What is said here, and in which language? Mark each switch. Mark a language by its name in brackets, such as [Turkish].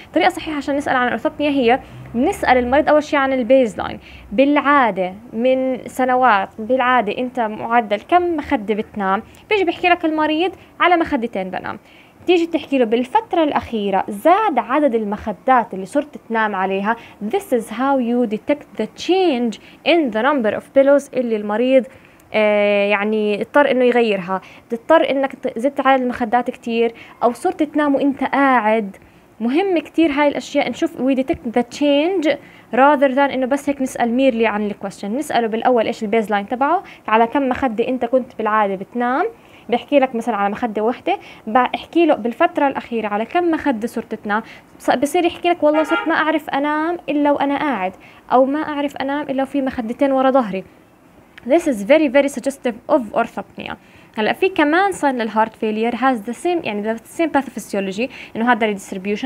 [Arabic] طريقه صحيحه عشان نسال عن الأورثوبنيا هي نسال المريض اول شيء عن البيز لاين، بالعاده من سنوات بالعاده انت معدل كم مخده بتنام؟ بيجي بيحكي لك المريض على مخدتين بنام، تيجي تحكي له بالفترة الأخيرة زاد عدد المخدات اللي صرت تنام عليها. [English] This is how you detect the change in the number of pillows اللي المريض يعني اضطر انه يغيرها. [Arabic] تضطر انك زدت عدد المخدات كتير او صرت تنام وانت قاعد، مهم كتير هاي الاشياء نشوف we detect the change rather than انه بس هيك نسأل ميرلي عن الكويشن. نسأله بالاول ايش البيزلاين تبعه، على كم مخدة انت كنت بالعادة بتنام، بيحكي لك مثلا على مخدة واحدة، بحكي له بالفترة الأخيرة على كم مخدة صرت تنام، بصير يحكي لك والله صرت ما أعرف أنام إلا وأنا قاعد، أو ما أعرف أنام إلا وفي مخدتين ورا ظهري. [English] This is very very suggestive of orthopnea. هلأ في كمان sign للheart failure has the same، يعني the same pathophysiology، إنه هذا redistribution.